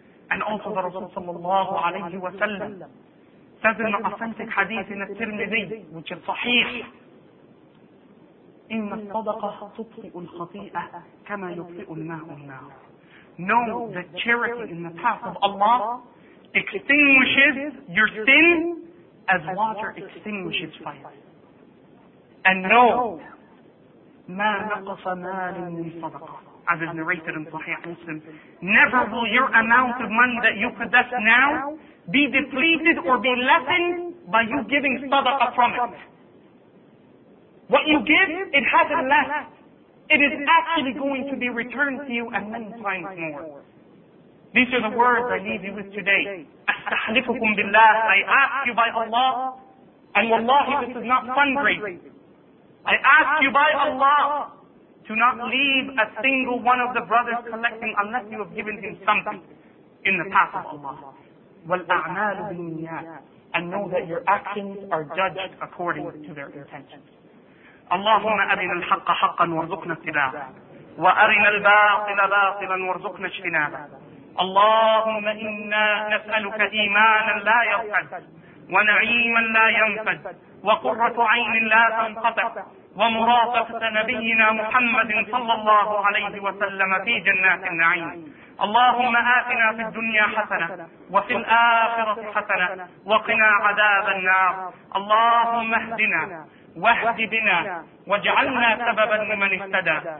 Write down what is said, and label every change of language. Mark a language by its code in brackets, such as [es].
[en] And also the Rasul sallallahu alayhi wa sallam says in the authentic hadith in al-Tirmidhi, which is sahih, [ar] إن الصدقة تطفئ الخطيئة كما يطفئ الماء النار. [en] Know that charity in the path of Allah extinguishes your sin as water extinguishes fire. And know [ar] ما نقص مال من صدقة. [en] As is narrated in Sahih Muslim, never will your amount of money that you possess now be depleted or be lessened by you giving sadaqah from it. What you give, it hasn't left. it is actually going to be returned to you and many times more. These are the words I leave you with today. [ar] أَسْتَحْلِفُكُمْ بِاللَّهِ [en] I ask you by Allah, and wallahi this is not fundraising. I ask you by Allah to not leave a single one of the brothers collecting unless you have given him something in the path of Allah. [ar] وَالْأَعْمَالُ بِالنِّيَّاتِ [en] And know that your actions are judged according to their intentions. [ar] اللهم أرنا الحق حقا وارزقنا اتباعه وأرنا الباطل باطلا وارزقنا اجتنابه اللهم إنا نسألك إيمانا لا يرتد ونعيما لا ينفد وقرة عين لا تنقطع ومرافقة نبينا محمد صلى الله عليه وسلم في جنات النعيم اللهم آتنا في الدنيا حسنة وفي الآخرة حسنة وقنا عذاب النار اللهم اهدنا واهد بنا واجعلنا سببا لمن اهتدى